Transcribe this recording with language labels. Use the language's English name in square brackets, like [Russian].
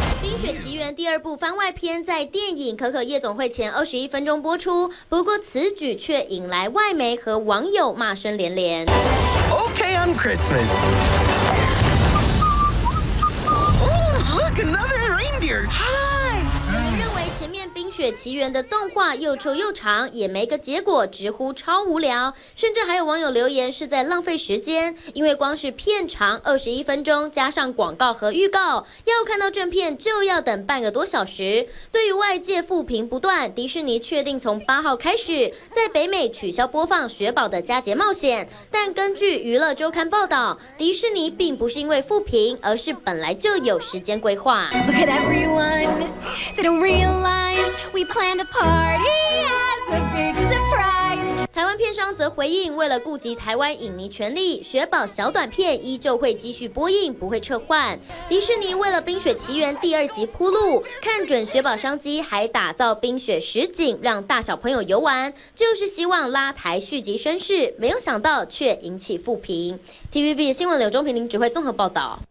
[Chinese] 冰雪奇缘第二部番外篇在电影《可可夜总会》前二十一分钟播出，不过此举却引来外媒和网友骂声连连。 [English] Okay, on Christmas. Oh, look, another reindeer. Hi. [Chinese] 前面《冰雪奇缘》的动画又臭又长，也没个结果，直呼超无聊。甚至还有网友留言是在浪费时间，因为光是片长二十一分钟，加上广告和预告，要看到正片就要等半个多小时。对于外界负评不断，迪士尼确定从八号开始在北美取消播放《雪宝的佳节冒险》。但根据《娱乐周刊》报道，迪士尼并不是因为负评，而是本来就有时间规划。 [English] Look at everyone, they don't realize. We planned a party as a big surprise. [Chinese] 台湾片商则回应，为了顾及台湾影迷权利，雪宝小短片依旧会继续播映，不会撤换。迪士尼为了《冰雪奇缘》第二集铺路，看准雪宝商机，还打造冰雪实景让大小朋友游玩，就是希望拉抬续集声势。没有想到却引起负评。TVB 新闻柳中平林指挥综合报道。